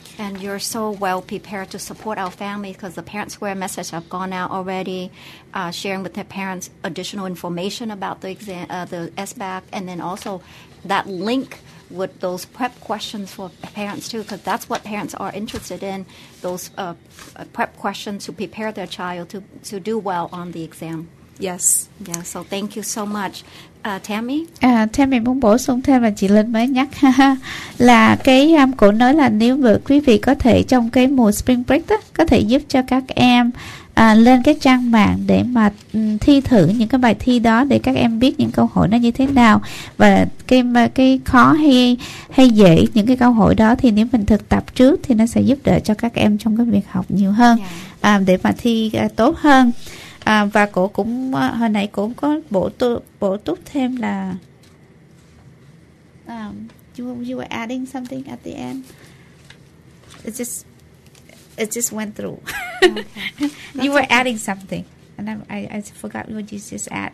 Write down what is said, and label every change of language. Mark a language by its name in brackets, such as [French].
[English] And you're so well prepared to support our family because the parents' square message have gone out already, sharing with their parents additional information about the exam, the SBAC, and then also that link with those prep questions for parents too, because that's what parents are interested in, those prep questions to prepare their child to do well on the exam. Yes. Yeah, so thank you so much. Tammy? [Vietnamese] Tammy muốn bổ sung thêm là chị Linh mới nhắc là cái cô nói là nếu mà quý vị có thể trong cái mùa Spring Break đó, có thể giúp cho các em lên cái trang mạng để mà thi thử những cái bài thi đó để các em biết những câu hỏi nó như thế nào và cái khó hay dễ những cái câu hỏi đó thì nếu mình thực tập trước thì nó sẽ giúp đỡ cho các em trong cái việc học nhiều hơn để mà thi tốt hơn. Và cổ cũng hồi nãy cổ có bổ túc thêm là [English] you were adding something at the end. It just went through. Okay. You were okay. Adding something, and I forgot what you just add.